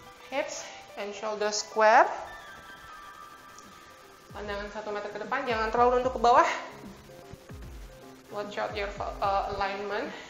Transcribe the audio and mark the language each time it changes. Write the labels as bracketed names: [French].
[English] Hips and shoulders square. [Indonesian] Pandangan 1 meter ke depan, jangan terlalu runduk ke bawah. [English] Watch out your alignment.